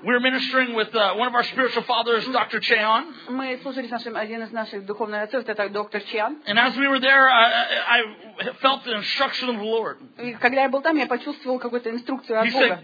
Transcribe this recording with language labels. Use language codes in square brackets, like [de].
[en] We were ministering with one of our spiritual fathers, Dr. Cheon. [ru] Мы служили с нашим один из наших духовных отцов, это доктор Чеон. [en] And as we were there, I felt the instruction of the Lord. [ru] Когда я был там, я почувствовал какую-то инструкцию от Бога.